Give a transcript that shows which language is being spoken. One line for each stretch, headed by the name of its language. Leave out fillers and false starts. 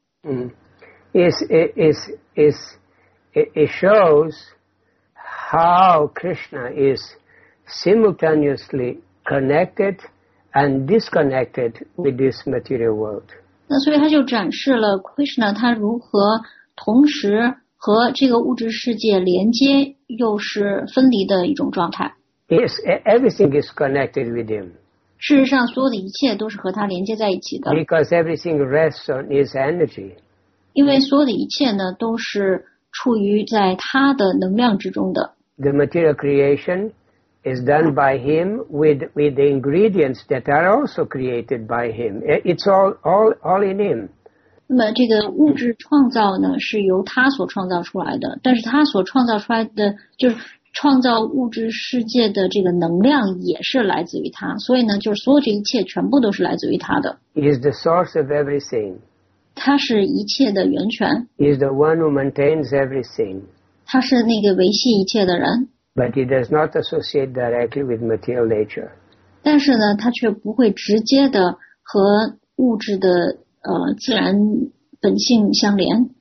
English: 嗯、it shows how Krishna is simultaneously connected. And disconnected with this material world.
Chinese: 那所以他就展示了 Krishna 他如何同时和这个物质世界连接，又是分离的一种状态。
English: Yes, everything is connected with him.
Chinese: 事实上，所有的一切都是和他连接在一起的。
English: Because everything rests on his energy.
Chinese: 因为所有的一切呢，都是处于在他的能量之中的。
English: The material creation. Is done by him with the ingredients that are also created by him. It's all in him.
Chinese: 那么这个物质创造呢，是由他所创造出来的。但是他所创造出来的，就是创造物质世界的这个能量，也是来自于他。所以呢，就是所有这一切全部都是来自于他的。
English: He is the source of everything.
Chinese: 他是一切的源泉。
English: He is the one who maintains everything.
Chinese: 他是那个维系一切的人。
English: But he does not associate directly with material nature.
Chinese: 但是呢，他却不会直接的和物质的自然本性相连。